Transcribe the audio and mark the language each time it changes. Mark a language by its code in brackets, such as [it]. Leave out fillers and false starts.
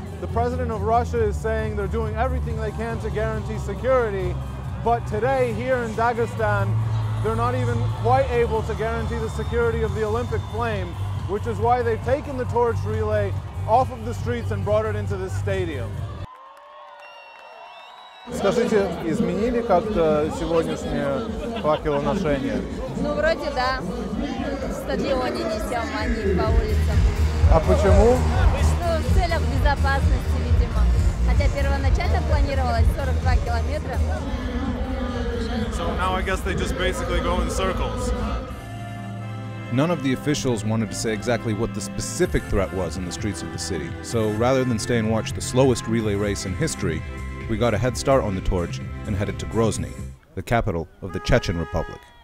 [en] The president of Russia is saying they're doing everything they can to guarantee security, but today here in Dagestan, they're not even quite able to guarantee the security of the Olympic flame, which is why they've taken the torch relay off of the streets and brought it into this stadium. [ru] Скажите, изменили как-то сегодняшнее факелоношение? Ну, вроде да. Стадионе несем, а не по улицам. А почему? В целях безопасности, видимо. Хотя первоначально планировалось 42 километра. [en] So now I guess they just basically go in circles. None of the officials wanted to say exactly what the specific threat was in the streets of the city. So rather than stay and watch the slowest relay race in history, we got a head start on the torch and headed to Grozny, the capital of the Chechen Republic.